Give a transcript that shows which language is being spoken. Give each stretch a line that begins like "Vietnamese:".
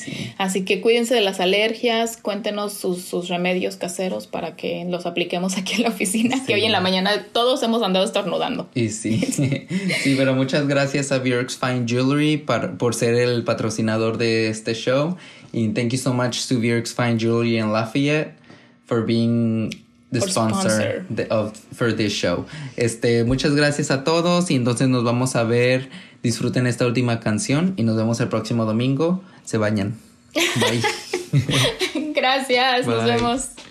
Spanish: Sí. Así que cuídense de las alergias, cuéntenos sus remedios caseros para que los apliquemos aquí en la oficina. Sí. Que hoy en la mañana todos hemos andado estornudando. Y sí, sí, pero muchas gracias a Bjork's Fine Jewelry por ser el patrocinador de este show.
English: Y thank you so much to Bjork's Fine Jewelry in Lafayette for being the sponsor for this show.
Spanish: Muchas gracias a todos y entonces nos vamos a ver. Disfruten esta última canción y nos vemos el próximo domingo. Se bañan. Bye. Gracias. Bye. Nos vemos.